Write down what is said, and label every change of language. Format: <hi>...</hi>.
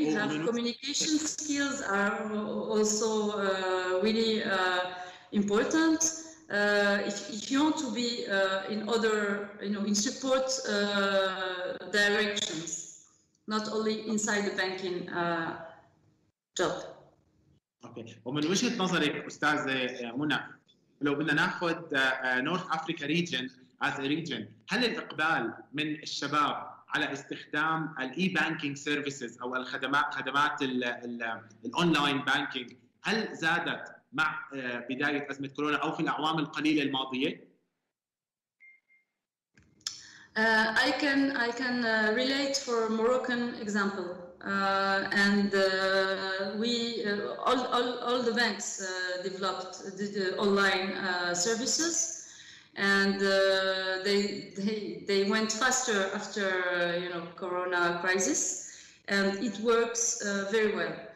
<en>You have communication skills are also really important. If you want to be in other, you know, in support directions, not only inside the banking job. Okay.</en> <ar>ومن وجهة نظرك أستاذة منى لو بدنا ناخذ</ar> <en>North Africa region as a region</en> <ar>هل الإقبال من الشباب على استخدام الاي بانكينج سيرفيسز او خدمات الاونلاين بانكينج هل زادت مع بدايه ازمه كورونا او في الاعوام القليله الماضيه؟</ar> <en>I can relate for Moroccan example and we all the banks developed the online services. And they went faster after you know Corona crisis, and it works very well.</en>